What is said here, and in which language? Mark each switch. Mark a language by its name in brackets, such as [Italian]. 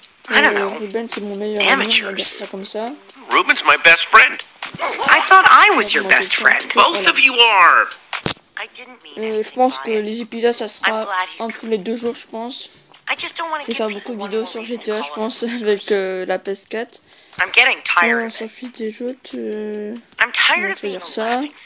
[French] Alors, Ruben, c'est mon meilleur ami, on va dire ça comme ça. [English] Ruben's my best friend. I thought I was your best friend. Both of you are. [French] Je pense que les épisodes, ça sera en tous les 2 jours, je pense. Je vais faire beaucoup de vidéos sur GTA, je pense, avec la PS4. On s'en fiche des jeux, on va faire ça.